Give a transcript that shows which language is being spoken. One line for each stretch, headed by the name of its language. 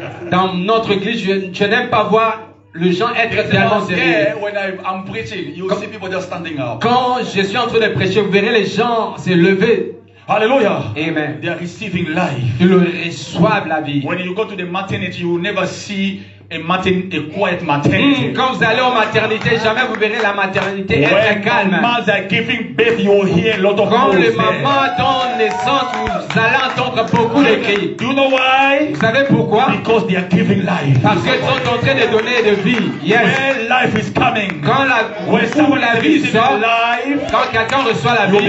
French: Dans notre église, je n'aime pas voir les gens être tellement sérieux. Quand je suis en train de prêcher, vous verrez les gens se lever. Alléluia. Amen.
English: They are receiving life.
French: Ils reçoivent la vie.
English: When you go to the maternity, you will never see a quiet maternity.
French: Quand vous allez en maternité, jamais vous verrez la maternité être calme.
English: Mothers are giving birth, you will hear a lot of
French: quand les mamans donnent naissance, vous allez entendre beaucoup de cris.
English: Do you know why?
French: Vous savez pourquoi?
English: Because they are giving life.
French: Parce qu'elles sont en train de donner de vie.
English: Yes. When life is coming.
French: Quand la vie sort, quand quelqu'un reçoit la vie,